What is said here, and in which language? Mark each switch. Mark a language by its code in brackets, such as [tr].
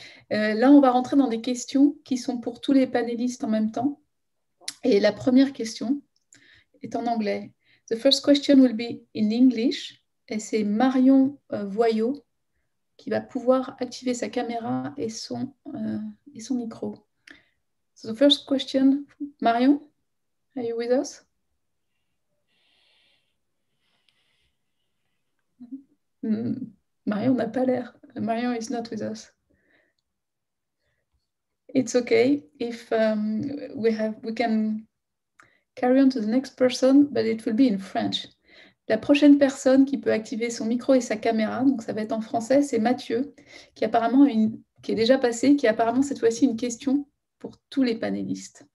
[fr] Là, on va rentrer dans des questions qui sont pour tous les panélistes en même temps. Et la première question est en anglais. [en] The first question will be in English. [fr] Et c'est Marion Voyot qui va pouvoir activer sa caméra et son micro. [en] So the first question, Marion, are you with us? [fr] Marion n'a pas l'air. [en] Marion is not with us. It's okay if we can carry on to the next person, but it will be in French. [fr] La prochaine personne qui peut activer son micro et sa caméra, donc ça va être en français, c'est Mathieu, qui est déjà passé, qui a apparemment cette fois-ci une question pour tous les panélistes.